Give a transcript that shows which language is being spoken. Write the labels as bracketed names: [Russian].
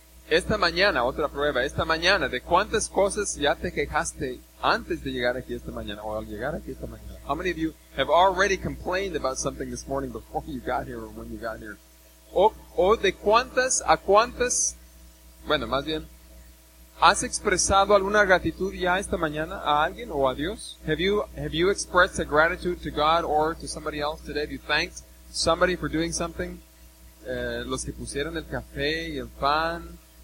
[Spanish] Esta mañana, otra prueba, esta mañana, ¿de cuántas cosas ya te quejaste antes de llegar aquí esta mañana? O al llegar aquí esta mañana. [English] How many of you have already complained about something this morning before you got here or when you got here? [Spanish] O de cuántas a cuántas, bueno, más bien, ¿has expresado alguna gratitud ya esta mañana a alguien o a Dios? [English] Have you expressed a gratitude to God or to somebody else today? Have you thanked somebody for doing something? [Spanish] Los que pusieron el café y el pan.